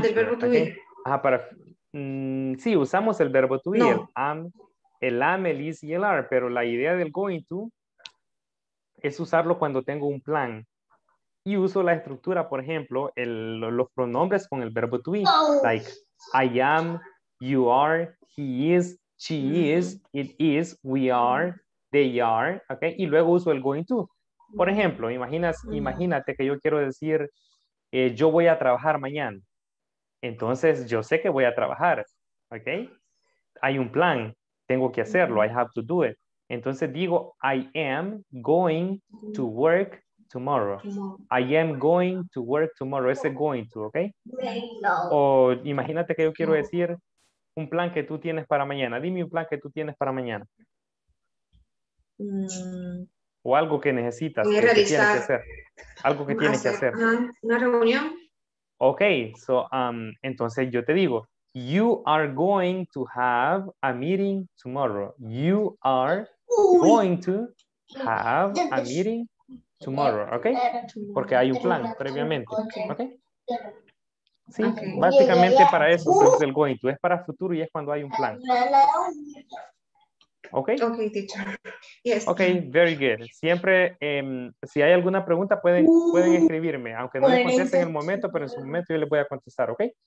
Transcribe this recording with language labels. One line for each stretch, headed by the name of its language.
Spanish: Del verbo to,
English: okay? Be.
Spanish: Ah, para... sí, usamos el verbo to be. No. El am, el is y el are, pero la idea del going to es usarlo cuando tengo un plan. Y uso la estructura, por ejemplo, los pronombres con el verbo to be.
English: Like, I am, you are, he is, she is, it is, we are, they are.
Spanish: Okay? Y luego uso el going to. Por ejemplo, imagínate que yo quiero decir, yo voy a trabajar mañana. Entonces, yo sé que voy a trabajar. Okay? Hay un plan. Tengo que hacerlo.
English: I have to do it.
Spanish: Entonces digo,
English: I am going to work tomorrow. I am going to work tomorrow. Ese going to, ¿ok? O imagínate que yo quiero decir un plan que tú tienes para mañana.
Spanish: Dime un plan que tú tienes para mañana. O algo que necesitas. Voy a realizar. Que tienes que hacer. Algo que tienes que hacer. Una reunión.
English: Ok, so,
Spanish: entonces yo te digo,
English: you are going to have a meeting tomorrow. You are going to have a meeting tomorrow, ok?
Spanish: Porque hay un plan previamente, ok? Sí, básicamente para eso es el going to. Es para futuro y es cuando hay un plan.
English: Ok. Ok, teacher. Yes. Ok, very good.
Spanish: Siempre, si hay alguna pregunta, pueden escribirme, aunque no me contesten en el momento, pero en su momento yo les voy a contestar, ¿ok?